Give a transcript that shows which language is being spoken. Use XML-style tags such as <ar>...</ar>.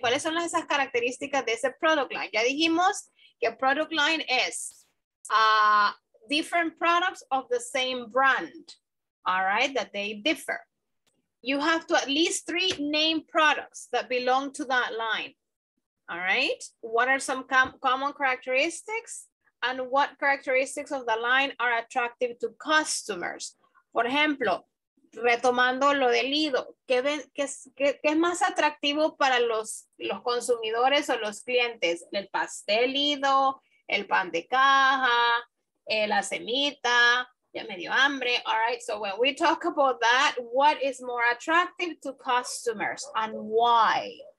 <es>¿Cuáles son esas características de ese product line? Ya dijimos que</es> <en>product line es different products of the same brand, all right, that they differ. You have to at least three name products that belong to that line. All right. What are some common characteristics and what characteristics of the line are attractive to customers?</en> <es>Por ejemplo, retomando lo del Lido, ¿qué es más atractivo para los consumidores o los clientes? El pastel Lido, el pan de caja, la semita. Ya me dio hambre.</es> <en>All right, so when we talk about that, what is more attractive to customers and why?</en>